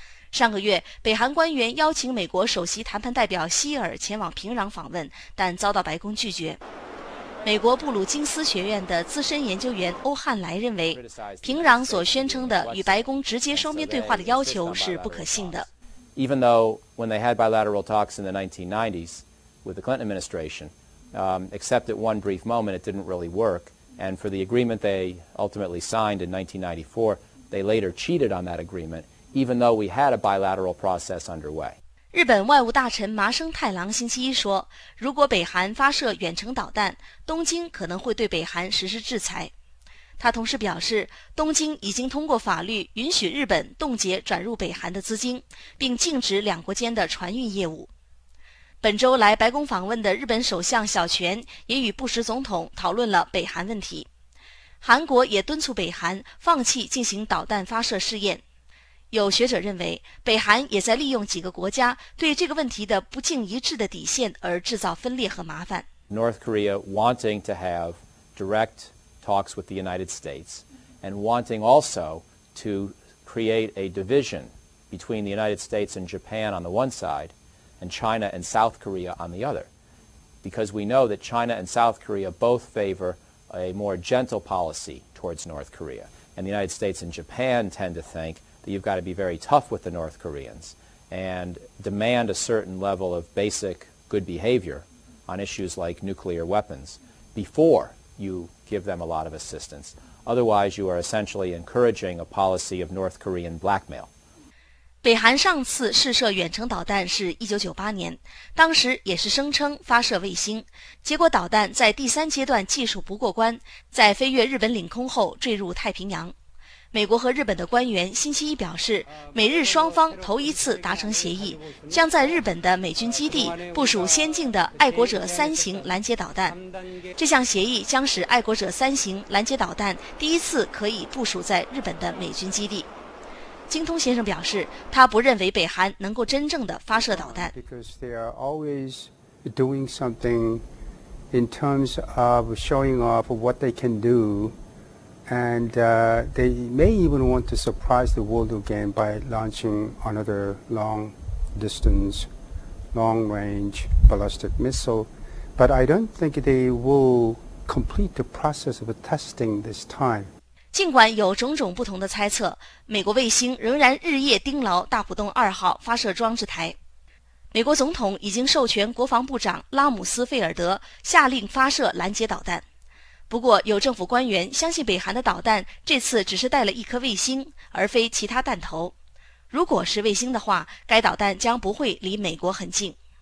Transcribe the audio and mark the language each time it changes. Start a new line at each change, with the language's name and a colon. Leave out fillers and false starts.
Chinese: 上个月，北韩官员邀请美国首席谈判代表希尔前往平壤访问，但遭到白宫拒绝。美国布鲁金斯学院的资深研究员欧汉莱认为，平壤所宣称的与白宫直接双边对话的要求是不可信的。
English: Even though when they had bilateral talks in the 1990s with the Clinton administration, except at one brief moment, it didn't really work. And for the agreement they ultimately signed in 1994, they later cheated on that agreement, even though we had a bilateral process underway.
Chinese: 日本外务大臣麻生太郎星期一说，如果北韩发射远程导弹，东京可能会对北韩实施制裁。他同时表示，东京已经通过法律允许日本冻结转入北韩的资金，并禁止两国间的船运业务。本周来白宫访问的日本首相小泉也与布什总统讨论了北韩问题。韩国也敦促北韩放弃进行导弹发射试验。有学者认为，北韩也在利用几个国家对这个问题的不尽一致的底线而制造分裂和麻烦。
English: North Korea wanting to have direct talks with the United States and wanting also to create a division between the United States and Japan on the one side and China and South Korea on the other. Because we know that China and South Korea both favor a more gentle policy towards North Korea. And the United States and Japan tend to think that you've got to be very tough with the North Koreans and demand a certain level of basic good behavior on issues like nuclear weapons before you give them a lot of assistance. Otherwise, you are essentially encouraging a policy of North Korean blackmail.
Chinese: 北韩上次试射远程导弹是1998年，当时也是声称发射卫星，结果导弹在第三阶段技术不过关，在飞越日本领空后坠入太平洋。美国和日本的官员星期一表示，美日双方头一次达成协议，将在日本的美军基地部署先进的爱国者三型拦截导弹。这项协议将使爱国者三型拦截导弹第一次可以部署在日本的美军基地。金通先生表示，他不认为北韩能够真正的发射导弹。
English: Because they are always doing something in terms of showing off what they can do. And they may even want to surprise the world again by launching another long-distance, long-range ballistic missile. But I don't think they will complete the process of testing this time.
Chinese: 尽管有种种不同的猜测，美国卫星仍然日夜盯牢大浦洞二号发射装置台。美国总统已经授权国防部长拉姆斯费尔德下令发射拦截导弹。不过有政府官员相信北韩的导弹这次只是带了一颗卫星而非其他弹头，如果是卫星的话，该导弹将不会离美国很近。